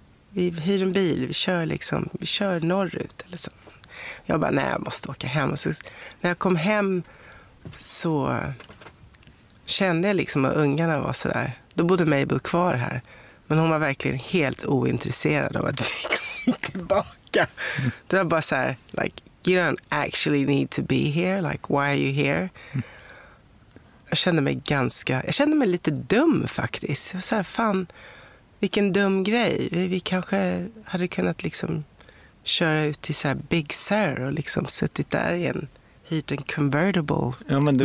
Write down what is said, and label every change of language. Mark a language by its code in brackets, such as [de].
[sv] Vi hyr en bil, vi kör norrut eller så. Jag bara, nej jag måste åka hem. Och så, när jag kom hem så kände jag liksom att ungarna var så där. Då bodde Mabel kvar här. Men hon var verkligen helt ointresserad av att vi kom tillbaka. Mm. [en] Det var bara så här, like, you don't actually need to be here. Like, why are you here? Mm. [sv] Jag kände mig lite dum faktiskt. Jag var så här, fan, vilken dum grej. Vi kanske hade kunnat liksom köra ut till så här Big Sur och liksom suttit där i en hyrt en convertible, ja, men du,